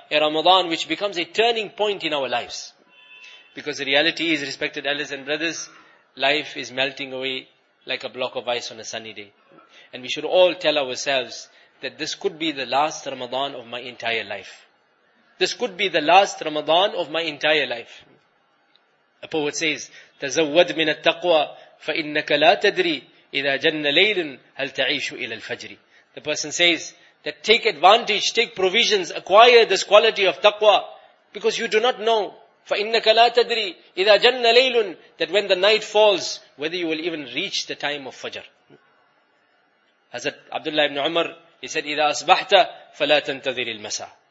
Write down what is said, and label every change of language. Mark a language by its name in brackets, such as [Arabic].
[English] A Ramadan which becomes a turning point in our lives. Because the reality is, respected elders and brothers, life is melting away like a block of ice on a sunny day. And we should all tell ourselves that this could be the last Ramadan of my entire life. This could be the last Ramadan of my entire life. A poet says, [Arabic] تَزَوَّدْ مِنَ التَّقْوَى فَإِنَّكَ لَا تَدْرِي إِذَا جَنَّ لَيْلٍ هَلْ تَعِيشُ إِلَى الْفَجْرِ. [English] The person says, that take advantage, take provisions, acquire this quality of taqwa, because you do not know. [Arabic] فَإِنَّكَ لَا تَدْرِي إِذَا جَنَّ لَيْلٌ, [English] that when the night falls, whether you will even reach the time of Fajr. Hazrat Abdullah ibn Umar, he said, [Arabic] إِذَا أَصْبَحْتَ فَلَا تَنْتَذِرِ الْمَسَى.